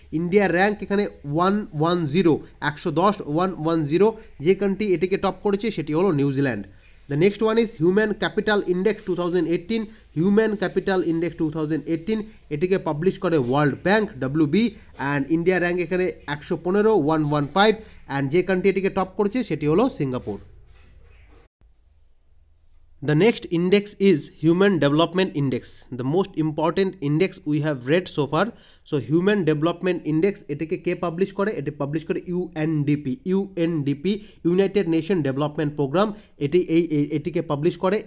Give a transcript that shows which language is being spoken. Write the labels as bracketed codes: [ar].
[bn] India rank এখানে 110, যে country এটিকে টপ করেছে সেটি হলো New Zealand. [en] The next one is Human Capital Index 2018. [bn] Human Capital Index 2018 এটিকে পাবলিশ করে world bank WB, and India rank এখানে 115, অ্যান্ড যে কান্ট্রি এটিকে টপ করছে সেটি হলো Singapore. [en] The next index is Human Development Index, the most important index we have read so far. [bn] So Human Development Index এটিকে কে publish করে, এটি publish করে UNDP, United nation development programme এটি এই এটিকে পাবলিশ করে।